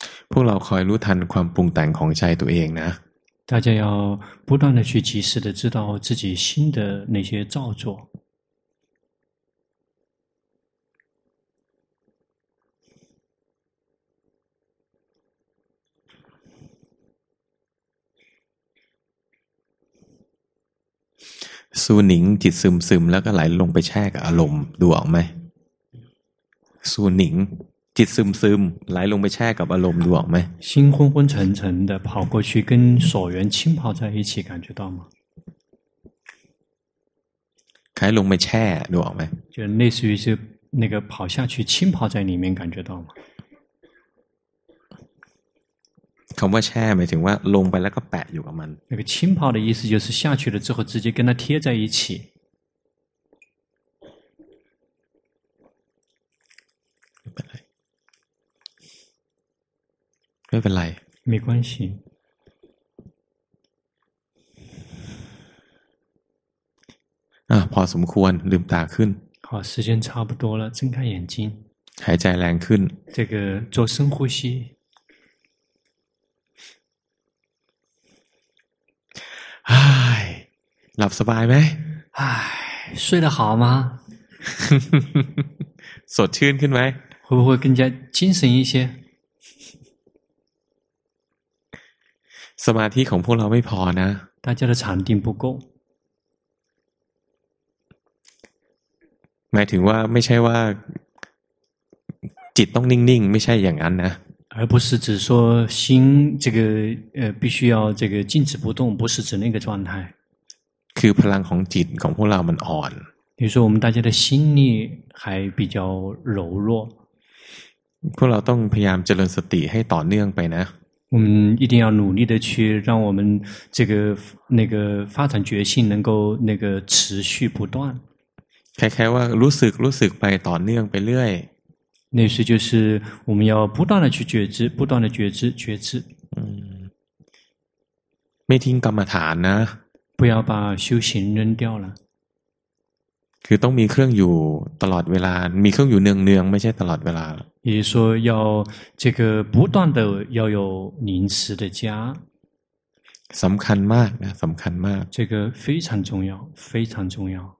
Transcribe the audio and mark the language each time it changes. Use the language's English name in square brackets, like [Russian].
[Thai] พวกเราคอยรู้ทันความปรุงแต่งของใจตัวเองนะ [Chinese] 大家要不断的去及时的知道自己心的那些造作 [Thai] 苏宁จิตซึมซึมแล้วก็ไหลลงไปแช่กับอารมณ์ดูออกไหมสุนิงจิตซึมซึมไหลลงไปแช่กับอารมณ์ดูออกไหม [Chinese] 心昏昏沉沉的跑过去跟所缘浸泡在一起感觉到吗 [Thai] ไหลลงไปแช่ดูออกไหม [Chinese] 就类似于是那个跑下去浸泡在里面感觉到吗 [Thai] คำว่าแช่หมายถึงว่าลงไปแล้วก็แปะอยู่กับมัน [Chinese] 那个浸泡的意思就是下去了之后直接跟它贴在一起 [Thai] ไม่เป็นไร [Chinese] 没关系 [Thai] พอสมควรลืมตาขึ้น [Chinese] 好时间差不多了睁开眼睛 [Thai] หายใจแรงขึ้น [Chinese] 这个做深呼吸 [Thai] 唉หลับสบายไหม [Chinese] 唉睡得好吗 [Thai] สดชื่นขึ้นไหม [Chinese] 会不会更加精神一些 [Thai] สมาธิของพวกเราไม่พอนะ [Chinese] 大家的禅定不够 [Thai] หมายถึงว่าไม่ใช่ว่าจิตต้องนิ่งๆไม่ใช่อย่างนั้นนะ [Chinese] 而不是只说心这个必须要这个静止不动不是指那个状态 [Thai] คือพลังของจิตของพวกเรามันอ่อน [Chinese] 比如说我们大家的心力还比较柔弱 [Thai] พวกเราต้องพยายามเจริญสติให้ต่อเนื่องไปนะ [Chinese] 我们一定要努力的去让我们这个那个发展觉性能够那个持续不断 [Thai] คล้ายๆว่ารู้สึกไปต่อเนื่องไปเรื่อย [Chinese] 那是就是我们要不断的去觉知不断的觉知觉知 [Thai] ไม่ทิ้งกรรมฐานนะ [Chinese] 不要把修行扔掉了 [Thai] คือต้องมีเครื่องอยู่ตลอดเวลามีเครื่องอยู่เนืองๆไม่ใช่ตลอดเวลา [Chinese] 也就是说要这个不断的要有临时的家 [Thai] สำคัญมากนะสำคัญมาก [Chinese] 这个非常重要非常重要